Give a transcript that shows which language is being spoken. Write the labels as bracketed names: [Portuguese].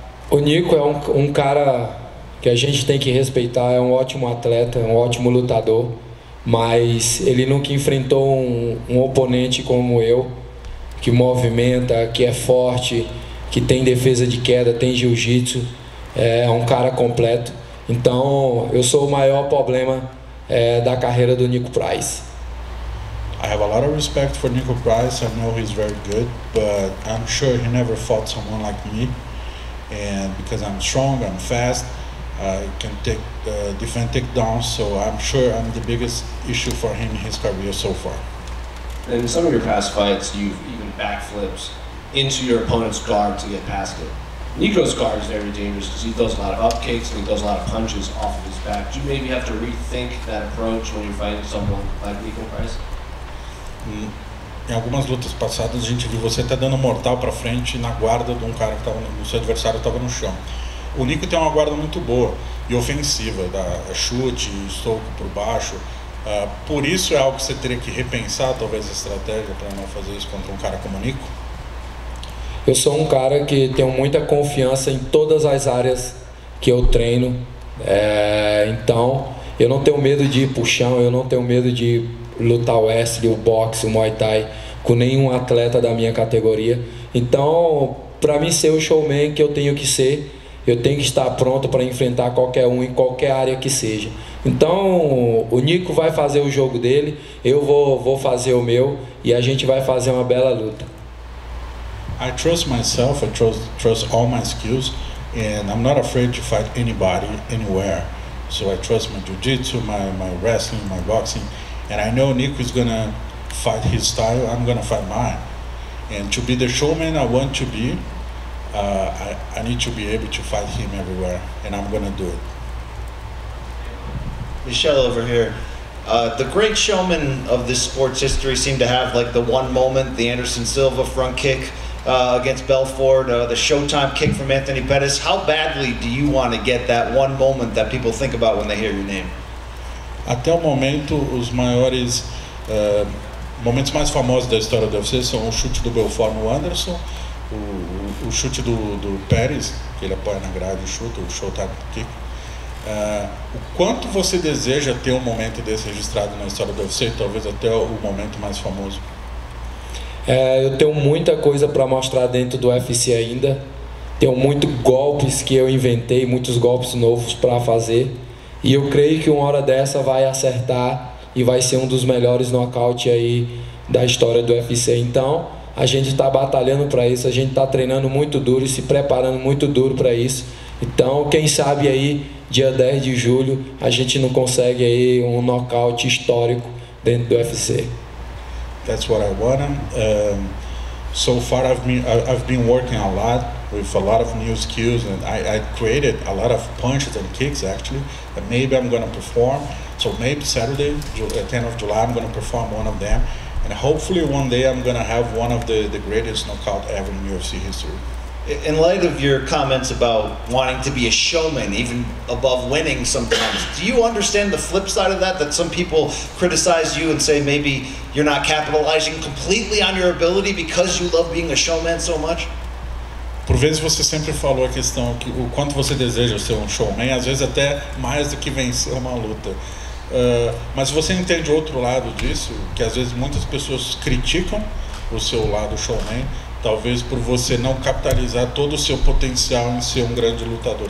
[Portuguese] O Nico é um cara que a gente tem que respeitar, é um ótimo atleta, é um ótimo lutador, mas ele nunca enfrentou um oponente como eu, que movimenta, que é forte, que tem defesa de queda, tem jiu-jitsu, é um cara completo. Então eu sou o maior problema da carreira do Nico Price. [English] I have a lot of respect for Nico Price. I know he's very good, but I'm sure he never fought someone like me. And because I'm strong, I'm fast, I can take defend takedowns, so I'm sure I'm the biggest issue for him in his career so far. In some of your past fights, you've even backflips into your opponent's guard to get past it. Nico's guard is very dangerous because he throws a lot of upkicks and he throws a lot of punches off of his back. Do you maybe have to rethink that approach when you're fighting someone like Nico Price? [Portuguese] Em algumas lutas passadas a gente viu você até dando mortal para frente na guarda de um cara que o seu adversário estava no chão. O Nico tem uma guarda muito boa e ofensiva, dá chute, soco por baixo. Por isso é algo que você teria que repensar, talvez, a estratégia para não fazer isso contra um cara como o Nico? Eu sou um cara que tenho muita confiança em todas as áreas que eu treino. Então, eu não tenho medo de ir pro chão, eu não tenho medo de lutar o wrestling, o boxe, o muay thai com nenhum atleta da minha categoria. Então, para mim ser o showman que eu tenho que ser, eu tenho que estar pronto para enfrentar qualquer um em qualquer área que seja. Então, o Nico vai fazer o jogo dele, eu vou fazer o meu e a gente vai fazer uma bela luta. [English] I trust myself, I trust all my skills, and I'm not afraid to fight anybody anywhere. So I trust my jiu-jitsu, my wrestling, my boxing. And I know Nico is gonna fight his style, I'm gonna fight mine. And to be the showman I want to be, I need to be able to fight him everywhere, and I'm gonna do it. Michelle over here. The great showmen of this sports history seem to have like the one moment, the Anderson Silva front kick against Belfort, the Showtime kick from Anthony Pettis. How badly do you want to get that one moment that people think about when they hear your name? [Portuguese] Até o momento, os maiores momentos mais famosos da história do UFC são o chute do Belfort no Anderson, o chute do Pérez, que ele apoia na grade e chuta, o Showtime Kick. O quanto você deseja ter um momento desse registrado na história do UFC, talvez até o momento mais famoso? Eu tenho muita coisa para mostrar dentro do UFC ainda. Tenho muitos golpes que eu inventei, muitos golpes novos para fazer. E eu creio que uma hora dessa vai acertar e vai ser um dos melhores nocaute aí da história do UFC. Então, a gente está batalhando para isso, a gente está treinando muito duro e se preparando muito duro para isso. Então, quem sabe aí, dia 10 de julho, a gente não consegue aí um nocaute histórico dentro do UFC. [English] That's what I want. So far I've been working a lot with a lot of new skills, and I created a lot of punches and kicks actually, and maybe I'm gonna perform. So maybe Saturday, the 10th of July, I'm gonna perform one of them. And hopefully one day I'm gonna have one of the greatest knockout ever in UFC history. In light of your comments about wanting to be a showman, even above winning sometimes, do you understand the flip side of that, that some people criticize you and say maybe you're not capitalizing completely on your ability because you love being a showman so much? [Portuguese] Por vezes você sempre falou a questão que o quanto você deseja ser um showman, às vezes até mais do que vencer uma luta. Mas você entende o outro lado disso, que às vezes muitas pessoas criticam o seu lado showman, talvez por você não capitalizar todo o seu potencial em ser um grande lutador.